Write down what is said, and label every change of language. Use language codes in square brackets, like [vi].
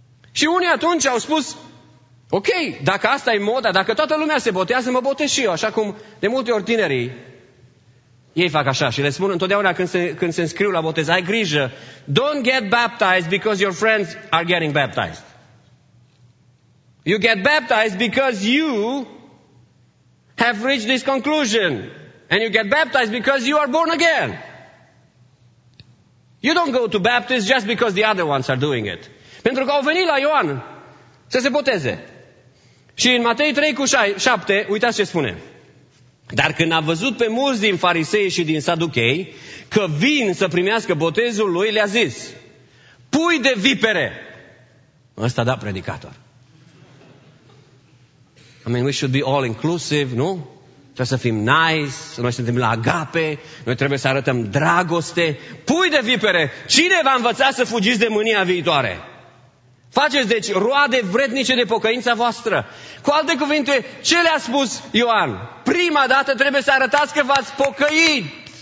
[ro] Și unii atunci au spus, ok, dacă asta e moda, dacă toată lumea se botează, mă botez și eu. Așa cum de multe ori tinerii, ei fac așa și le spun întotdeauna când se înscriu la botez, ai grijă, [en] don't get baptized because your friends are getting baptized. You get baptized because you have reached this conclusion. And you get baptized because you are born again. You don't go to Baptist just because the other ones are doing it. [ro] Pentru că au venit la Ioan să se boteze. Și în Matei 3:7, uitați ce spune. Dar când a văzut pe mulți din farisei și din saducei că vin să primească botezul lui, le-a zis, pui de vipere! Ăsta da predicator. [en] I mean, we should be all inclusive, nu? [ro] Trebuie să fim nice, să noi suntem la agape, noi trebuie să arătăm dragoste. Pui de vipere! Cine v-a învățat să fugiți de mânia viitoare? Faceți, deci, roade vrednice de pocăința voastră. Cu alte cuvinte, ce le-a spus Ioan? Prima dată trebuie să arătați că v-ați pocăit.